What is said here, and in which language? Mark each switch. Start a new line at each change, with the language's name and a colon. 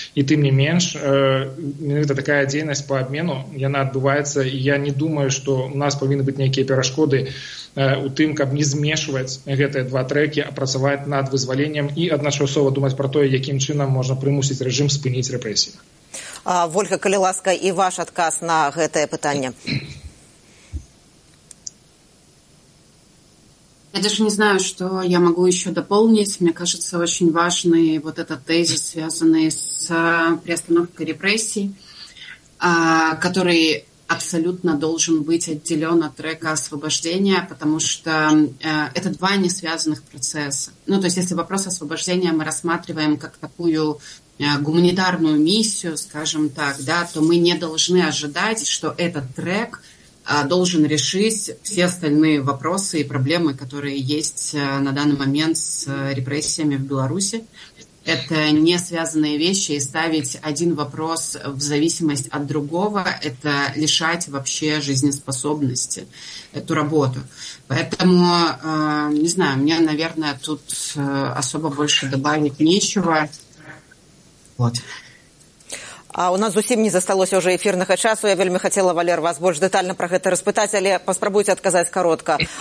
Belarusian: І тым не менш, менавіта такая дзейнасць па абмену, яна адбываецца, і я не думаю, што у нас павінны быць нейкія перашкоды у тым, каб не змешваць гэтыя 2 трэкі, а працаваць над вызваленнем і адначасова думаць пра тое, якім чынам можна прымусіць рэжым спыніць рэпрэсіі. Вольга, калі ласка, і ваш адказ на гэтае пытанне.
Russian: Я даже не знаю, что я могу еще дополнить. Мне кажется, очень важный вот этот тезис, связанный с приостановкой репрессий, который абсолютно должен быть отделен от трека освобождения, потому что это 2 несвязанных процесса. Ну, то есть если вопрос освобождения мы рассматриваем как такую гуманитарную миссию, скажем так, да, то мы не должны ожидать, что этот трек должен решить все остальные вопросы и проблемы, которые есть на данный момент с репрессиями в Беларуси. Это не связанные вещи, и ставить один вопрос в зависимость от другого – это лишать вообще жизнеспособности эту работу. Поэтому, не знаю, мне, наверное, тут особо больше добавить нечего.
Belarusian: Вот. А у нас зусім не засталося ўжо эфірнага часу. Я вельмі хацела, Валер, вас больш дэтальна пра гэта распытаць, але паспрабуйце адказаць каротка.